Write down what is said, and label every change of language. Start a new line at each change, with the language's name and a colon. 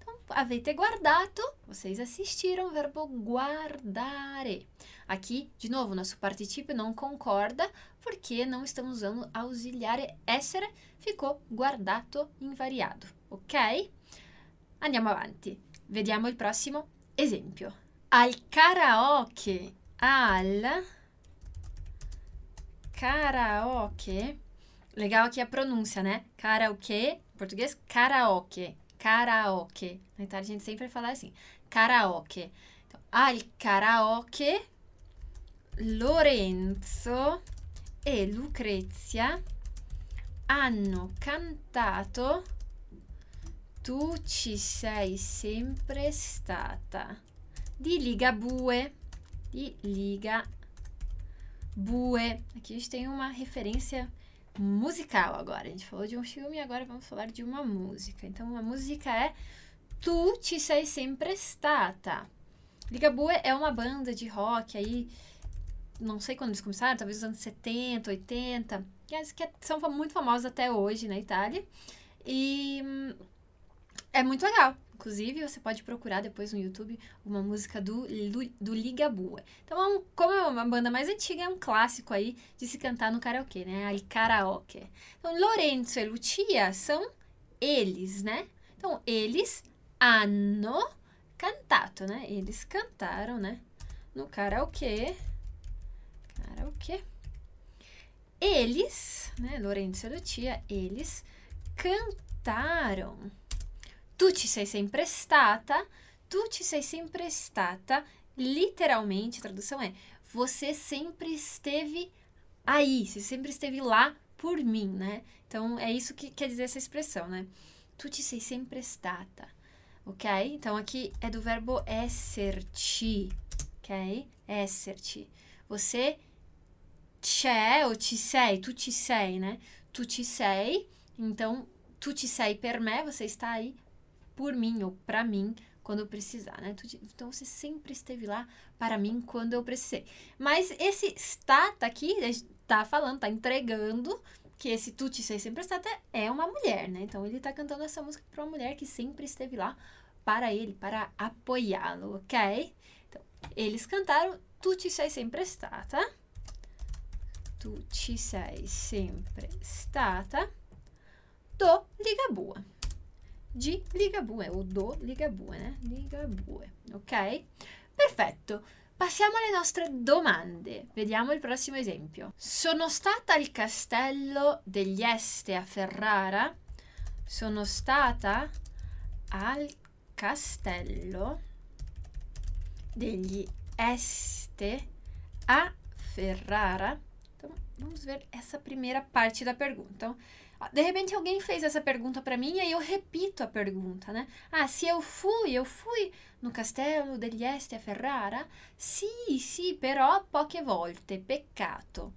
Italian: Avete guardato,
Portuguese: vocês assistiram o verbo guardare. Aqui, de novo, nosso participio não concorda porque não estamos usando ausiliare essere, ficou
Italian: guardato invariato,
Portuguese: ok?
Italian: Andiamo avanti. Vediamo il prossimo esempio. Al karaoke, al karaoke.
Portuguese: Legal aqui a pronúncia, né? Karaoke, em português, karaoke. Karaoke. Na Itália a gente sempre fala assim.
Italian: Karaoke. Então, al karaoke, Lorenzo e Lucrezia hanno cantato "Tu ci sei sempre stata" di Ligabue. Di Ligabue.
Portuguese: Aqui a gente tem uma referência musical agora. A gente falou de um filme, agora vamos falar de uma música. Então, a música é "Tu ci sei sempre stata". Ligabue é uma banda de rock aí, não sei quando eles começaram, talvez nos anos 70, 80, que são muito famosas até hoje na Itália. E é muito legal. Inclusive, você pode procurar depois no YouTube uma música do Ligabue. Então, como é uma banda mais antiga, é um clássico aí de se cantar no karaokê, né? Al karaoke. Então, Lorenzo e Lucia são eles, né? Então, eles
Italian: hanno cantato,
Portuguese: né? Eles cantaram, né? No karaokê. Karaokê. Eles, né? Lorenzo e Lucia, eles cantaram.
Italian: Tu ci sei sempre stata, tu ci sei sempre stata.
Portuguese: Literalmente, a tradução é: você sempre esteve aí, você sempre esteve lá por mim, né? Então é isso que quer dizer essa expressão, né?
Italian: Tu ci sei sempre stata, ok?
Portuguese: Então aqui é do verbo esserci, ok? Esserci. Você c'è ou ci sei,
Italian: tu ci sei,
Portuguese: né? Tu ci sei, então
Italian: tu ci sei per me,
Portuguese: você está aí por mim ou para mim quando eu precisar, né? Então você sempre esteve lá para mim quando eu precisei. Mas esse stata aqui tá falando, tá entregando que esse
Italian: tu ci sei sempre stata
Portuguese: é uma mulher, né? Então ele tá cantando essa música para uma mulher que sempre esteve lá para ele, para apoiá-lo, ok? Então eles cantaram
Italian: tu ci sei sempre stata,
Portuguese: tu ci sei sempre stata do Ligabue. Di Ligabue o do Ligabue, né? Ligabue, ok?
Italian: Perfetto. Passiamo alle nostre domande. Vediamo il prossimo esempio. Sono stata al castello degli Este a Ferrara. Sono stata al castello degli Este a Ferrara.
Portuguese: Então, vamos ver essa primeira parte da pergunta. De repente alguém fez essa pergunta para mim e aí eu repito a pergunta, né? Ah, se eu fui no castelo degli Este a Ferrara?
Italian: Sì, però poche volte, peccato.